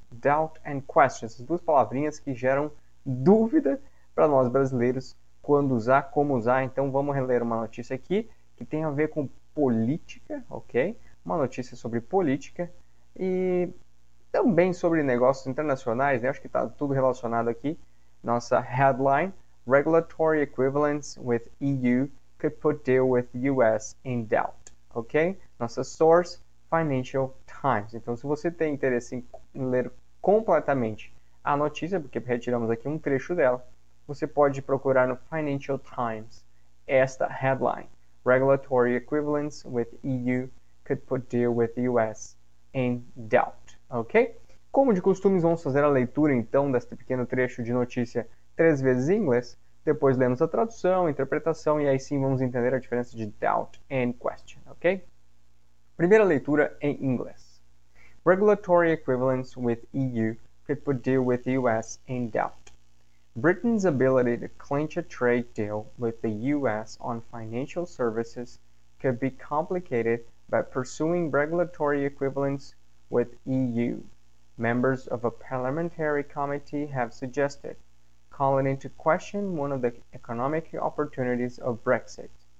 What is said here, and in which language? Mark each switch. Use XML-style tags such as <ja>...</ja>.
<en>Doubt and question,</en> <pt>essas duas palavrinhas que geram dúvida para nós brasileiros, quando usar, como usar. Então vamos reler uma notícia aqui que tem a ver com política, ok? Uma notícia sobre política e também sobre negócios internacionais, né? Acho que está tudo relacionado aqui.</pt> <en>Nossa headline: Regulatory equivalence with EU could put deal with US in doubt, ok?</en> <pt>Nossa source: Financial Times. Então, se você tem interesse em ler completamente a notícia, porque retiramos aqui um trecho dela, você pode procurar no Financial Times esta headline:</pt> <en>Regulatory equivalence with EU could put deal with US in doubt.</en> <pt>Ok? Como de costume, vamos fazer a leitura então deste pequeno trecho de notícia três vezes em inglês, depois lemos a tradução, a interpretação e aí sim vamos entender a diferença de doubt and question. Ok? Primeira leitura em inglês.</pt> <en>Regulatory equivalence with EU could put deal with US in doubt. Britain's ability to clinch a trade deal with the US on financial services could be complicated by pursuing regulatory equivalence with EU, members of a parliamentary committee have suggested, calling into question one of the economic opportunities of Brexit.</en>